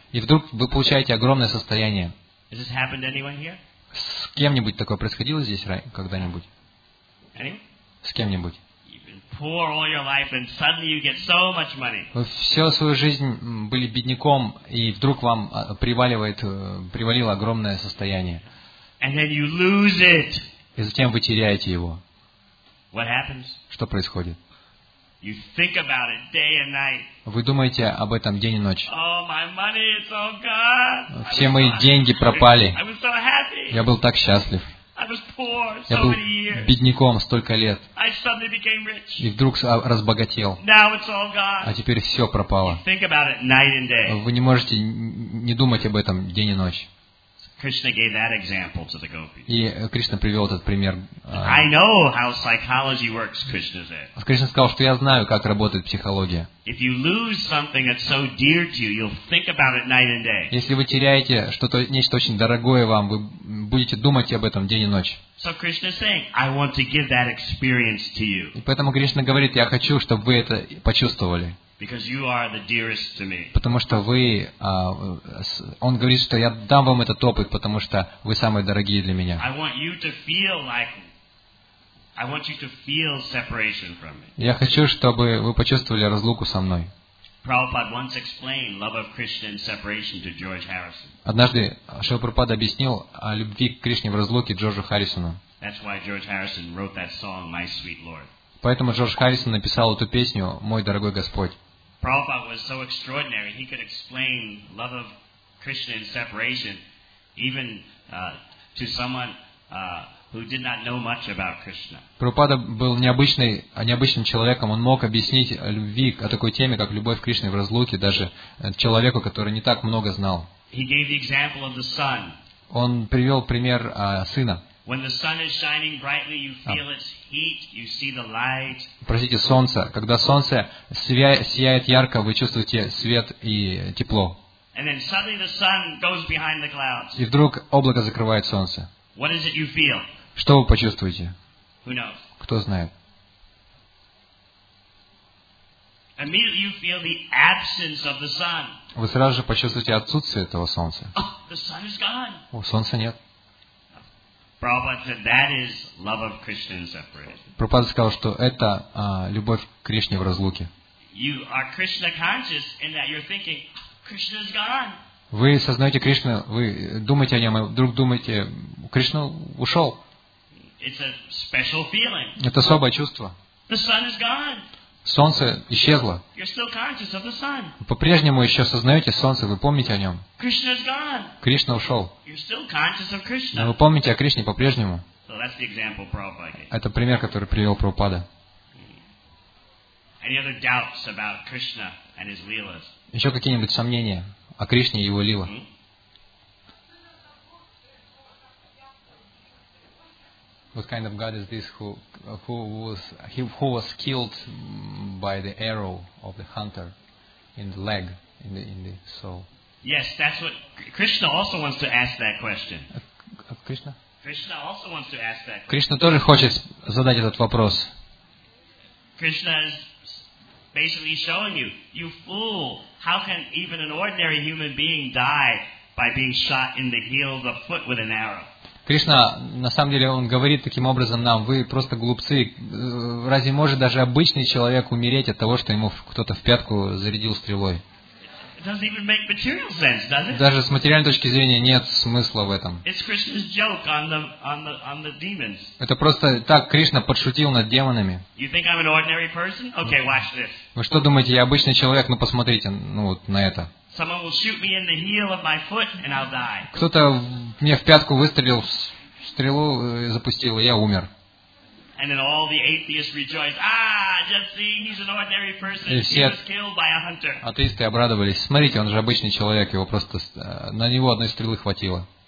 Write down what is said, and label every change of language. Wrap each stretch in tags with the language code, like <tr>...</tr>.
<ru>И вдруг вы получаете огромное состояние.</ru> <en>Has this happened to anyone here?</en> <ru>С кем-нибудь такое происходило здесь когда-нибудь?</ru> <en>Anyone?</en> <ru>С кем-нибудь?</ru> <en>Poor all your life, and suddenly you get so much money.</en> <ru>Вы всю свою жизнь были бедняком, и вдруг вам привалило огромное состояние.</ru> <en>And then you lose it.</en> <ru>И затем вы теряете его.</ru> <en>What happens?</en> <ru>Что происходит?</ru> <en>You think about it day and night.</en> <ru>Вы думаете об этом день и ночь.</ru> <en>Oh, my money, it's all gone.</en> <ru>Все мои деньги пропали.</ru> <en>I was so happy.</en> <ru>Я был так счастлив.</ru> <en>I was poor so</en> <ru>Я был</ru> <en>many years.</en> <ru>Бедняком столько лет.</ru> <en>I suddenly became rich.</en> <ru>И вдруг разбогател.</ru> <en>Now it's all gone.</en> <ru>А теперь все пропало.</ru> <en>You think about it night and day.</en> <ru>Вы не можете не думать об этом день и ночь.</ru> <en>Krishna gave that example to the gopis.</en> <ru>И Кришна привел этот пример.</ru> <en>I know how psychology works, Krishna said.</en> <ru>Кришна сказал, что я знаю, как работает психология.</ru> <en>If you lose something that's so dear to you, you'll think about it night and day.</en> <ru>Если вы теряете что-то, нечто очень дорогое вам, вы будете думать об этом день и ночь.</ru> <en>So Krishna is saying, I want to give that experience to you.</en> <ru>И поэтому Кришна говорит, я хочу, чтобы вы это почувствовали.</ru> <en>Because you are the dearest to me.</en> <ru>Потому что вы, он говорит, что я дам вам этот опыт, потому что вы самые дорогие для меня.</ru> <en>I want you to feel separation from me.</en> <ru>Я хочу, чтобы вы почувствовали разлуку со мной.</ru> <en>Prabhupada once explained love of Krishna and separation to George Harrison.</en> <ru>Однажды Шрила Прабхупада объяснил о любви к Кришне в разлуке Джорджу Харрисону.</ru> <en>That's why George Harrison wrote that song, "My Sweet Lord."</en> <ru>Поэтому Джордж Харрисон написал эту песню, "Мой дорогой Господь."</ru> <en>Prabhupada was so extraordinary; he could explain love of Krishna and separation even to someone who did not know much about Krishna.</en> <ru>Прабхупада был необычным человеком. Он мог объяснить любви о такой теме, как любовь к Кришне в разлуке, даже человеку, который не так много знал.</ru> <en>He gave the example of the sun.</en> <ru>Он привел пример сына.</ru> <en>When the sun is shining brightly, you feel its heat, you see the light.</en> <ru>Простите, солнце. Когда солнце сияет ярко, вы чувствуете свет и тепло.</ru> <en>And then suddenly the sun goes behind the clouds.</en> <ru>И вдруг облако закрывает солнце.</ru> <en>What is it you feel?</en> <ru>Что вы почувствуете?</ru> <en>Who knows?</en> <ru>Кто знает?</ru> <en>Immediately you feel the absence of the sun.</en> <ru>Вы сразу же почувствуете отсутствие этого солнца.</ru> <en>The sun is gone.</en> <ru>О, солнца нет.</ru> <en>Prabhupada said that is love of Krishna in separation.</en> <ru>Прабхупада сказал, что это любовь к Кришне в разлуке.</ru> <en>You are Krishna conscious in that you're thinking Krishna is gone.</en> <ru>Вы сознаете Кришну, вы думаете о нем, и вдруг думаете, Кришна ушел.</ru> <en>It's a special feeling.</en> <ru>Это особое чувство.</ru> <en>The sun is gone.</en> <ru>Солнце исчезло.</ru> <en>You're still conscious of the sun.</en> <ru>По-прежнему еще сознаете солнце, вы помните о нем.</ru> <en>Krishna is gone.</en> <ru>Кришна ушел.</ru> <en>You're still conscious of Krishna.</en> <ru>Но вы помните о Кришне по-прежнему.</ru> <en>So that's the example Prabhupada gave.</en> <ru>Это пример, который привел Прабхупада.</ru> <en>Any other doubts about Krishna and his leelas?</en> <ru>Еще какие-нибудь сомнения о Кришне и его лила?</ru> <en>What kind of god is this who was killed by the arrow of the hunter in the leg, in the soul? Yes, that's what Krishna also wants to ask that question. Krishna? Krishna also wants to ask that question.</en> <ru>Krishna тоже хочет задать этот вопрос.</ru> <en>Krishna is basically showing you, you fool, how can even an ordinary human being die by being shot in the heel of the foot with an arrow?</en> <ru>Кришна, на самом деле, он говорит таким образом нам, вы просто глупцы. Разве может даже обычный человек умереть от того, что ему кто-то в пятку зарядил стрелой?</ru> <en>It doesn't even make material sense, does it?</en> <ru>Даже с материальной точки зрения нет смысла в этом.</ru> <en>It's Krishna's joke on the demons.</en> <ru>Это просто так, Кришна подшутил над демонами.</ru> <en>You think I'm an ordinary person? Okay, watch this.</en> <ru>Вы что думаете, я обычный человек? Ну посмотрите, ну вот на это.</ru> <en>Someone will shoot me in the heel of my foot and I'll die.</en> <ru>Кто-то мне в пятку выстрелил, стрелу запустил, и я умер.</ru> <en>And then all the atheists rejoice. Ah, just see, he's an ordinary person. He was killed by a hunter.</en> <ru>Атеисты обрадовались. Смотрите, он же обычный человек, его просто на него одной стрелы хватило.</ru>